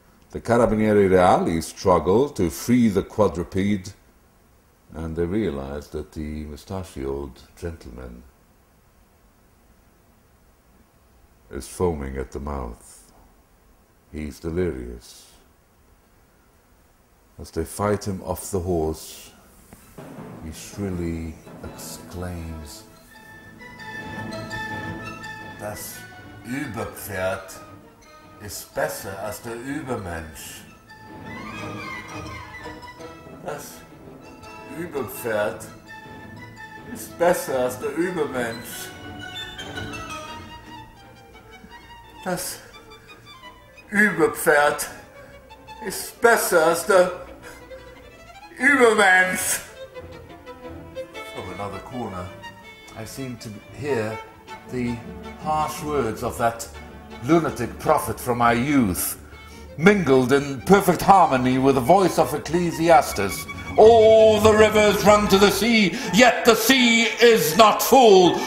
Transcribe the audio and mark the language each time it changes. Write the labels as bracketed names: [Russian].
[English] The Carabinieri Reali struggle to free the quadruped, and they realize that the mustachioed gentleman is foaming at the mouth. He's delirious. As they fight him off the horse, he shrilly exclaims, [German] "Das Überpferd ist besser als der Übermensch." Überpferd ist besser als der Übermensch. Das Überpferd ist besser als der Übermensch. [English] From another corner, I seem to hear the harsh words of that lunatic prophet from my youth, mingled in perfect harmony with the voice of Ecclesiastes. All the rivers run to the sea, yet the sea is not full.